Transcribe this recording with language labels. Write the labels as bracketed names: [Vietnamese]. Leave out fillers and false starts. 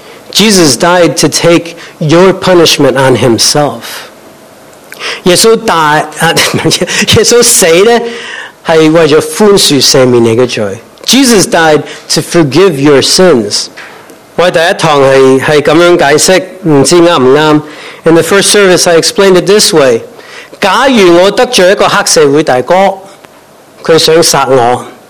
[English] Jesus died to take your punishment on himself. [Chinese] 耶稣死是为了宽恕赦免你的罪。 [English] Jesus died to forgive your sins. [Chinese] 我第一堂是这样解释，不知道对不对。 [English] In the first service, I explained it this way. [Chinese] 假如我得罪一个黑社会大哥，他想杀我。